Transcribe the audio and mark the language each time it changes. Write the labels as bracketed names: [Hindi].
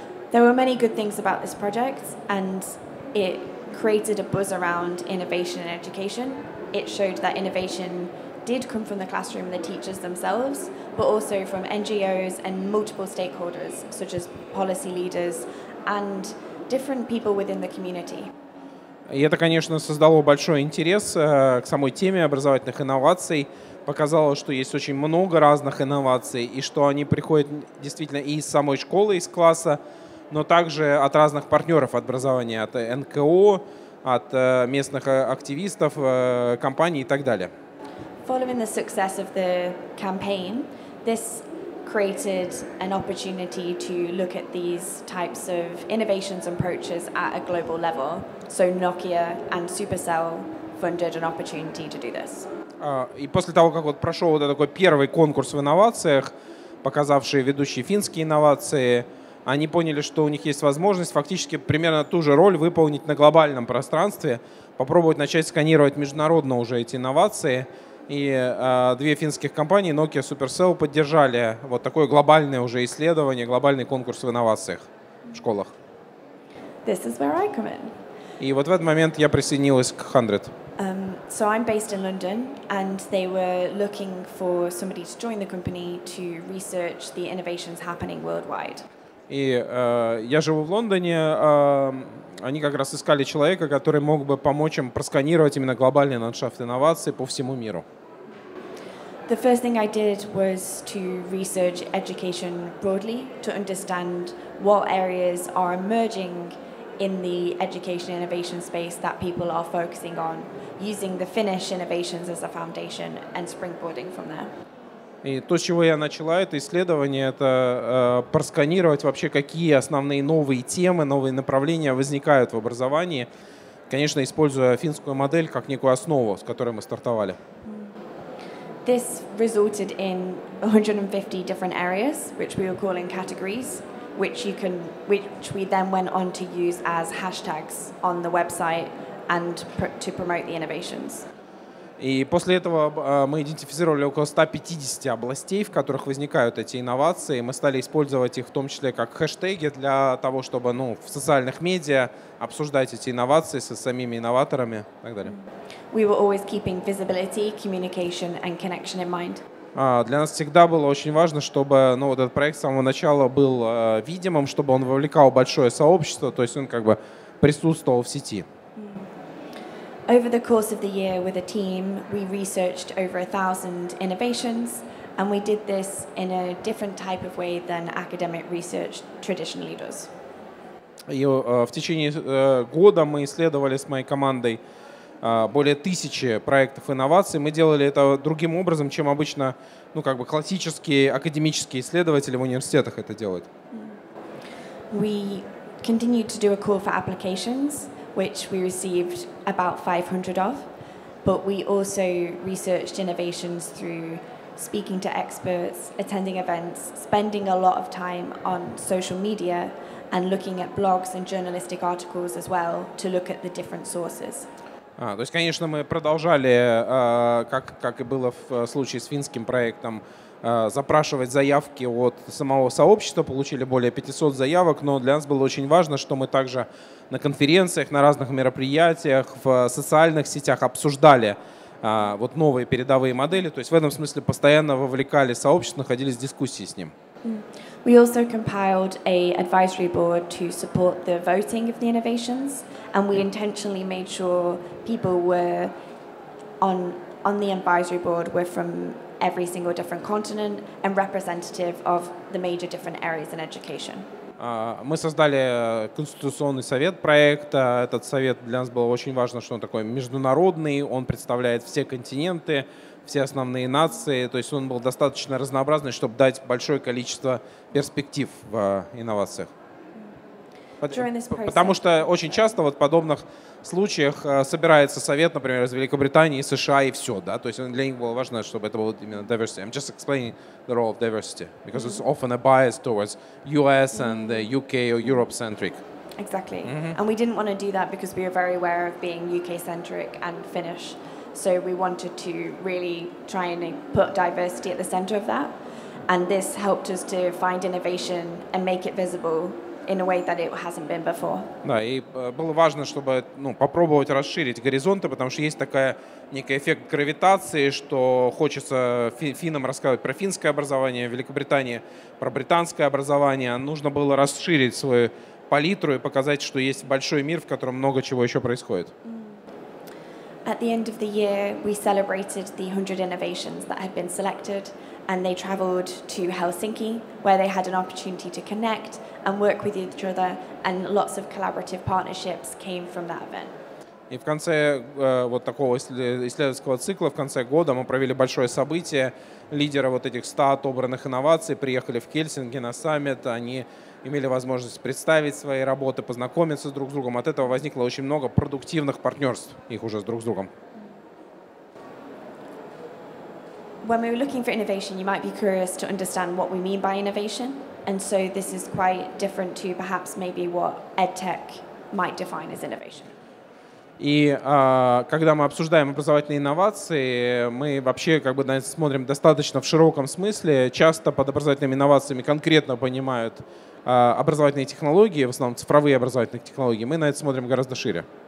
[English] There were many good things about this project, and it created a buzz around innovation and education. It showed that innovation did come from the classroom and the teachers themselves, but also from NGOs and multiple stakeholders, such as policy leaders and different people within the community. [Russian] И это, конечно, создало большой интерес к самой теме образовательных инноваций, показало, что есть очень много разных инноваций, и что они приходят действительно и из самой школы, из класса, но также от разных партнеров от образования, от НКО, от местных активистов, компаний и так далее. [English] Following the success of the campaign, this created an opportunity to look at these types of innovations and approaches at a global level. So Nokia and Supercell funded an opportunity to do this. [Russian] И после того, как вот прошел вот такой первый конкурс в инновациях, показавший ведущие финские инновации, они поняли, что у них есть возможность фактически примерно ту же роль выполнить на глобальном пространстве, попробовать начать сканировать международно уже эти инновации. И две финских компании, Nokia и Supercell, поддержали вот такое глобальное уже исследование, глобальный конкурс в инновациях в школах. [English] This is where I come in. [Russian] И вот в этот момент я присоединилась к HundrED. [English] So I'm based in London, and they were looking for somebody to join the company to research the innovations happening worldwide. [Russian] И я живу в Лондоне, они как раз искали человека, который мог бы помочь им просканировать именно глобальный ландшафт инноваций по всему миру. [English] The first thing I did was to research education broadly to understand what areas are emerging in the education innovation space that people are focusing on, using the Finnish innovations as a foundation and springboarding from there. [Russian] И то, с чего я начала это исследование, это просканировать вообще, какие основные новые темы, новые направления возникают в образовании, конечно, используя финскую модель как некую основу, с которой мы стартовали. [English] This resulted in 150 different areas, which we were calling categories, which we then went on to use as hashtags on the website and to promote the innovations. [Russian] И после этого мы идентифицировали около 150 областей, в которых возникают эти инновации. Мы стали использовать их в том числе как хэштеги для того, чтобы в социальных медиа обсуждать эти инновации со самими инноваторами и так далее. [English] We were always keeping visibility, communication and connection in mind. [Russian] Для нас всегда было очень важно, чтобы этот проект с самого начала был видимым, чтобы он вовлекал большое сообщество, то есть он как бы присутствовал в сети. [English] Over the course of the year with a team, we researched over 1,000 innovations, and we did this in a different type of way than academic research traditionally does. [Russian] И в течение года мы исследовали с моей командой более 1000 проектов инноваций. Мы делали это другим образом, чем обычно, классические академические исследователи в университетах это делают. [English] We continued to do a call for applications, which we received about 500 of, but we also researched innovations through speaking to experts, attending events, spending a lot of time on social media, and looking at blogs and journalistic articles as well to look at the different sources. [Russian] То есть, конечно, мы продолжали, как и было в случае с финским проектом, запрашивать заявки от самого сообщества, получили более 500 заявок, но для нас было очень важно, что мы также на конференциях, на разных мероприятиях, в социальных сетях обсуждали новые передовые модели, то есть в этом смысле постоянно вовлекали сообщество, находились в дискуссии с ним. [English] We also compiled a advisory board to support the voting of the innovations, and we intentionally made sure people were on the advisory board were from every single different continent and representative of the major different areas in education. [Russian] Мы создали конституционный совет проекта. Этот совет для нас было очень важно, что он такой международный, он представляет все континенты, все основные нации, то есть он был достаточно разнообразный, чтобы дать большое количество перспектив в инновациях. Потому что очень часто в подобных случаях собирается совет, например, из Великобритании, США и все, да? То есть для них было важно, чтобы это было именно diversity. [English] I'm just explaining the role of diversity, because it's often a bias towards US and the UK or Europe-centric. Exactly. Mm-hmm. And we didn't want to do that because we were very aware of being UK-centric and Finnish. So we wanted to really try and put diversity at the center of that. And this helped us to find innovation and make it visible in a way that it hasn't been before. [Russian] Да, и было важно, чтобы попробовать расширить горизонты, потому что есть такая некий эффект гравитации, что хочется финнам рассказывать про финское образование, в Великобритании про британское образование. Нужно было расширить свою палитру и показать, что есть большой мир, в котором много чего еще происходит. [English] At the end of the year, we celebrated the 100 innovations that had been selected, and they traveled to Helsinki, where they had an opportunity to connect and work with each other, and lots of collaborative partnerships came from that event. [Russian] И в конце такого исследовательского цикла, в конце года мы провели большое событие. Лидеры этих 100 отобранных инноваций приехали в Хельсинки на саммит. Они имели возможность представить свои работы, познакомиться друг с другом. От этого возникло очень много продуктивных партнерств их уже друг с другом. [English] When we were looking for innovation, you might be curious to understand what we mean by innovation. And so this is quite different to perhaps maybe what EdTech might define as innovation. [Russian] И когда мы обсуждаем образовательные инновации, мы вообще как бы смотрим достаточно в широком смысле. Часто под образовательными инновациями конкретно понимают образовательные технологии, в основном цифровые образовательные технологии. Мы на это смотрим гораздо шире.